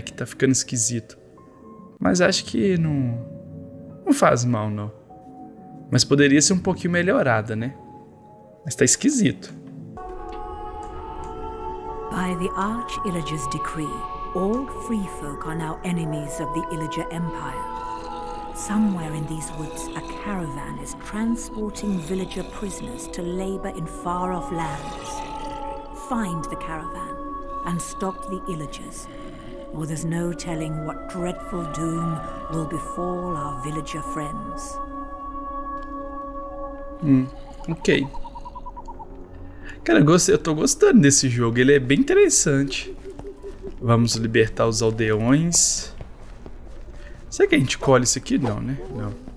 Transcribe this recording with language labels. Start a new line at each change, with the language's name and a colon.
Portuguese: Que tá ficando esquisito. Mas acho que não faz mal, não. Mas poderia ser um pouquinho melhorada, né? Mas tá esquisito.
English: By the Arch Illager's decree, all free folk are now enemies of the Illager Empire. Somewhere in these woods, a caravan is transporting villager prisoners to labor in far-off lands. Find the caravan and stop the illagers, or there's no telling what dreadful doom will befall our villager friends.
Portuguese: Ok. Cara, eu tô gostando desse jogo, ele é bem interessante. Vamos libertar os aldeões. Será que a gente colhe isso aqui? Não, né? Não.